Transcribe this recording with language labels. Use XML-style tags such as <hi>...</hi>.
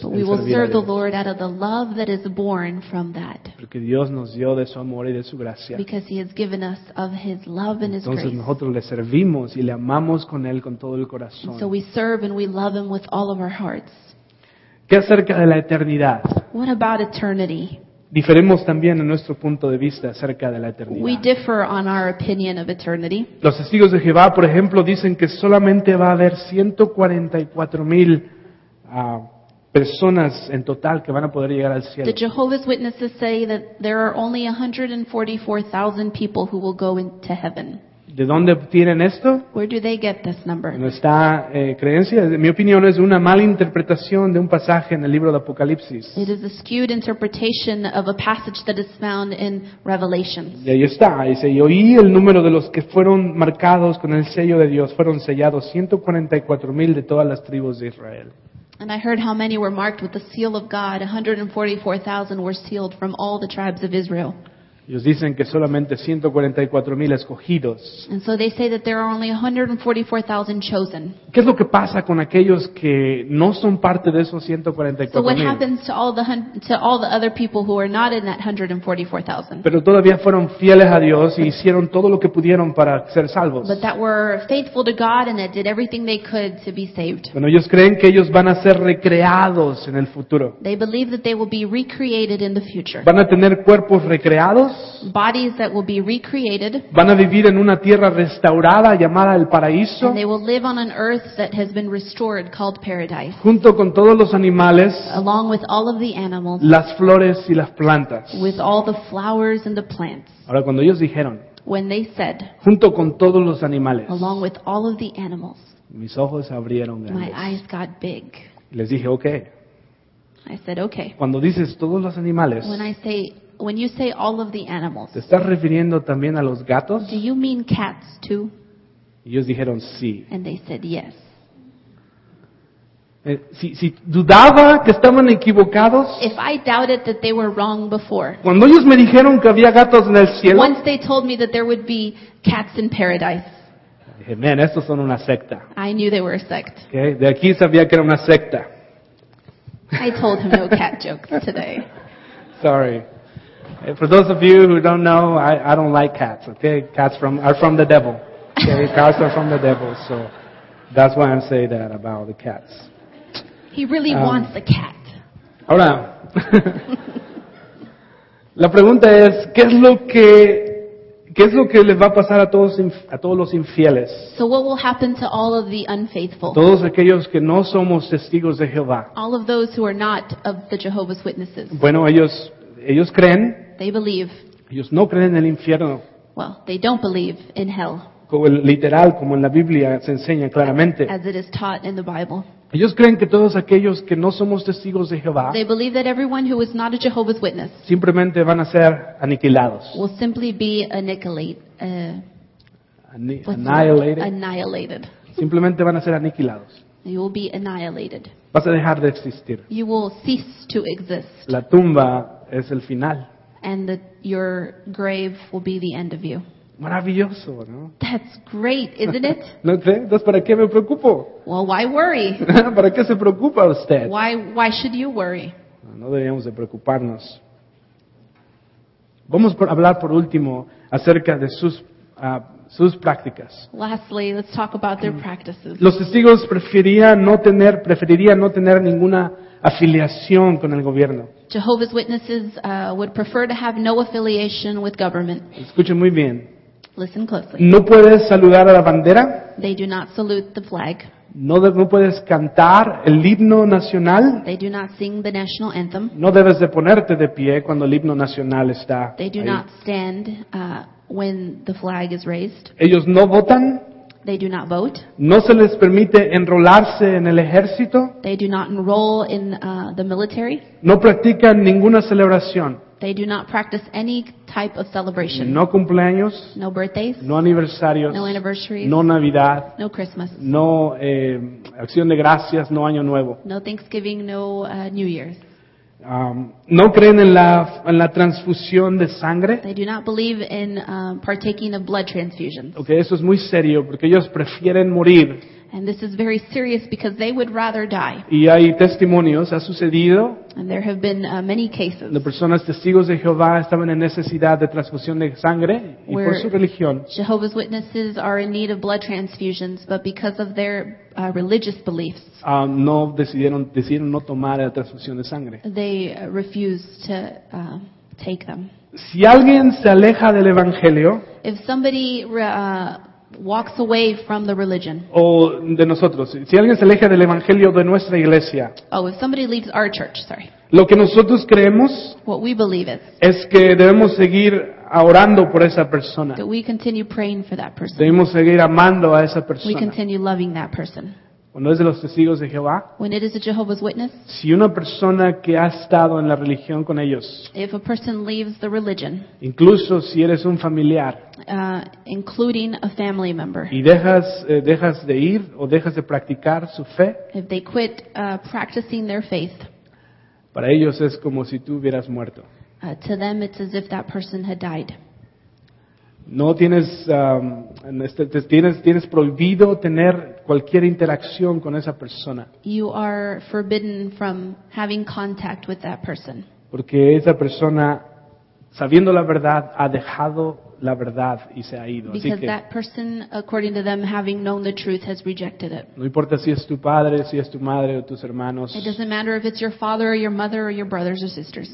<en>But we will serve the Lord out of the love that is born from that.</en> <es>Porque Dios nos dio de su amor y de su gracia.</es> <en>Because he has given us of his love and his</en> <es>entonces,</es> <en>grace.</en> <es>Entonces nosotros le servimos y le amamos con él con todo el corazón.</es> <en>And so we serve and we love him with all of our hearts.</en> <es>¿Qué acerca de la eternidad?</es> <en>What about eternity?</en> <es>Diferimos también en nuestro punto de vista acerca de la eternidad.</es> <en>We differ on our opinion of eternity.</en> <es>Los testigos de Jehová, por ejemplo, dicen que solamente va a haber 144,000 personas en total que van a poder llegar al cielo.</es> <en>The Jehovah's Witnesses say that there are only 144,000 people who will go into heaven.</en> <es>¿De dónde tienen esto?</es> <en>Where do they get this number?</en> <es>¿No está creencia? Mi opinión es una mala interpretación de un pasaje en el libro de Apocalipsis.</es> <en>It is a skewed interpretation of a passage that is found in Revelation.</en> <es>Y ahí está. Dice, y oí el número de los que fueron marcados con el sello de Dios. Fueron sellados 144,000 de todas las tribus de Israel.</es> <en>And I heard how many were marked with the seal of God. 144,000 were sealed from all the tribes of Israel.</en> <es>Ellos dicen que solamente 144,000 escogidos.</es> <en>And so they say that there are only 144,000 chosen.</en> <es>¿Qué es lo que pasa con aquellos que no son parte de esos 144,000?</es> <en>So what happens to all the other people who are not in that 144,000?</en> <es>Pero todavía fueron fieles a Dios y hicieron todo lo que pudieron para ser salvos.</es> <en>But that were faithful to God and that did everything they could to be saved.</en> <es>Bueno, ellos creen que ellos van a ser recreados en el futuro.</es> <en>They believe that they will be recreated in the future.</en> <es>Van a tener cuerpos recreados.</es> <en>Bodies that will be recreated.</en> <es>Van a vivir en una tierra restaurada llamada el paraíso.</es> <en>And they will live on an earth that has been restored called paradise.</en> <es>Junto con todos los animales.</es> <en>Along with all of the animals.</en> <es>Las flores y las plantas.</es> <en>With all the flowers and the plants.</en> <es>Ahora cuando ellos dijeron.</es> <en>When they said.</en> <es>Junto con todos los animales.</es> <en>Along with all of the animals.</en> <es>Mis ojos se abrieron grandes.</es> <en>My eyes got big.</en> <es>Les dije, okay.</es> <en>I said, okay.</en> <es>Cuando dices todos los animales.</es> <en>When I say when you say all of the animals,</en> <es>¿te estás refiriendo también a los gatos?</es> <en>Do you mean cats too?</en> <es>Ellos dijeron sí.</es> <en>And they said yes.</en> <es>Si dudaba que estaban equivocados.</es> <en>If I doubted that they were wrong before.</en> <es>Cuando ellos me dijeron que había gatos en el cielo.</es> <en>Once they told me that there would be cats in paradise.</en> <es>Dije, man, estos son una secta.</es> <en>I knew they were a sect.</en> <es>Okay, de aquí sabía que era una secta.</es> <en>I told him no cat jokes today. Sorry. For those of you who don't know, I don't like cats, okay? Cats are from the devil. Okay? Cats are from the devil, so that's why I say that about the cats. He really wants a cat.</en> <es>Ahora, la pregunta es, ¿qué es lo que les va a pasar a todos los infieles?</es> <en>So what will happen to all of the unfaithful?</en> <es>Todos aquellos que no somos testigos de Jehová.</es> <en>All of those who are not of the Jehovah's Witnesses.</en> <es>Bueno, ellos creen.</es> <en>They believe.</en> <es>Ellos no creen en el infierno.</es> <en>Well, they don't believe in hell.</en> <es>Como el literal, como en la Biblia se enseña claramente.</es> <en>As it is taught in the Bible.</en> <es>Ellos creen que todos aquellos que no somos testigos de Jehová,</es> <en>they believe that everyone who is not a Jehovah's Witness,</en> <es>simplemente van a ser aniquilados.</es> <en>Will simply be annihilated. Annihilated.</en> <es>Simplemente van a ser aniquilados.</es> <en>You will be annihilated.</en> <es>Vas a dejar de existir.</es> <en>You will cease to exist.</en> <es>La tumba es el final.</es> <en>And the, your grave will be the end of you.</en> <es>Maravilloso, ¿no?</es> <en>That's great, isn't it?</en> <es>¿No crees? Entonces, ¿para qué me preocupo?</es> <en>Well, why worry?</en> <es>¿Para qué se preocupa usted?</es> <en>Why should you worry?</en> <es>No deberíamos de preocuparnos. Vamos a hablar por último acerca de sus prácticas.</es> <en>Lastly, let's talk about their practices.</en> <es>Los testigos preferirían no tener ninguna afiliación con el gobierno.</es> <en>Jehovah's Witnesses would prefer to have no affiliation with government.</en> <es>Escuchen muy bien.</es> <en>Listen closely.</en> <es>No puedes saludar a la bandera.</es> <en>They do not salute the flag.</en> <es>No puedes cantar el himno nacional.</es> <en>They do not sing the national anthem.</en> <es>No debes de ponerte de pie cuando el himno nacional está.</es> <en>They do</en> <es>ahí.</es> <en>Not stand when the flag is raised.</en> <es>Ellos no votan.</es> <en>They do not vote.</en> <es>No se les permite enrolarse en el ejército.</es> <en>They do not enroll in the military.</en> <es>No practican ninguna celebración.</es> <en>They do not practice any type of celebration.</en> <es>No cumpleaños.</es> <en>No birthdays.</en> <es>No aniversarios.</es> <en>No anniversaries.</en> <es>No Navidad.</es> <en>No Christmas.</en> <es>No acción de gracias, no año nuevo.</es> <en>No Thanksgiving, no New Year's.</en> <es>No creen en la transfusión de sangre.</es> <en>They do not believe in partaking of blood transfusions.</en> <es>Okay, eso es muy serio porque ellos prefieren morir.</es> <en>And this is very serious because they would rather die.</en> <es>Y hay testimonios, ha sucedido.</es> <en>And there have been many cases.</en> <es>De personas testigos de Jehová estaban en necesidad de transfusión de sangre y por su religión.</es> <en>Jehovah's Witnesses are in need of blood transfusions, but because of their religious beliefs.</en> <es>No decidieron no tomar la transfusión de sangre.</es> <en>They refused to take them.</en> <es>Si alguien se aleja del evangelio.</es> <en>If somebody walks away from the religion.</en> <es>O de nosotros. Si alguien se aleja del evangelio de nuestra iglesia.</es> <en>Oh, if somebody leaves our church, sorry.</en> <es>Lo que nosotros creemos.</es> <en>What we believe is.</en> <es>Es que debemos seguir orando por esa persona.</es> <en>That we continue praying for that person.</en> <es>Debemos seguir amando a esa persona.</es> <en>We continue loving that person.</en> <es>Cuando es de los testigos de Jehová.</es> <en>When it is a Jehovah's Witness.</en> <es>Si una persona que ha estado en la religión con ellos.</es> <en>If a person leaves the religion.</en> <es>Incluso si eres un familiar.</es> <en>Including a family member.</en> <es>Y dejas de ir o dejas de practicar su fe.</es> <en>If they quit practicing their faith.</en> <es>Para ellos es como si tú hubieras muerto.</es> <en>To them it's as if that person had died.</en> <es>No tienes, tienes prohibido tener cualquier interacción con esa persona.</es> <en>You are forbidden from having contact with that person.</en> <es>Porque esa persona, sabiendo la verdad, ha dejado la verdad y se ha ido.</es> <en>Because</en> <es>así que,</es> <en>that person, according to them, having known the truth, has rejected it.</en> <es>No importa si es tu padre, si es tu madre o tus hermanos.</es> <en>It doesn't matter if it's your father or your mother or your brothers or sisters.</en>